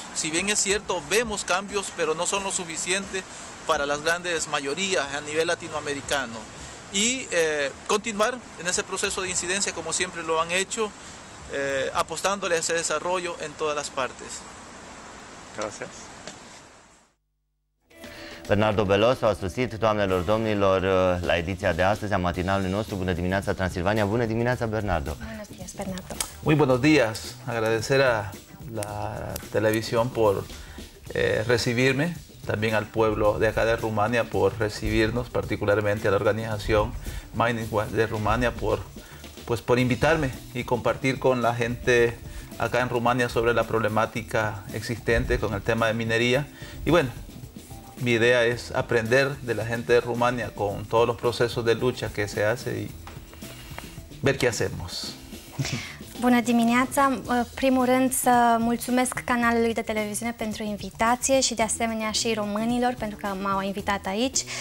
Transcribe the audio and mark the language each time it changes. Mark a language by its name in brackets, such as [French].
[Spanish] Si bien es cierto, vemos cambios, pero no son lo suficiente para las grandes mayorías a nivel latinoamericano. Y continuar en ese proceso de incidencia como siempre lo han hecho, apostándole a ese desarrollo en todas las partes. Gracias. [Romanian] Bernardo Beloso a susținut, doamnelor, domnilor, la ediția de astăzi a matinalului nostru. Bună dimineața, Transilvania. Bună dimineața, Bernardo. [Spanish] Buenos días, Bernardo. Muy buenos días. Agradecer a la televisión por recibirme, también al pueblo de acá de Rumania por recibirnos, particularmente a la organización Mining One de Rumania por invitarme y compartir con la gente acá en Rumania sobre la problemática existente con el tema de minería. Y bueno, mi idea es aprender de la gente de Rumania con todos los procesos de lucha que se hace y ver qué hacemos. [Romanian] Bună dimineața! Primul rând să mulțumesc canalului de televiziune pentru invitație și de asemenea și românilor pentru că m-au invitat aici.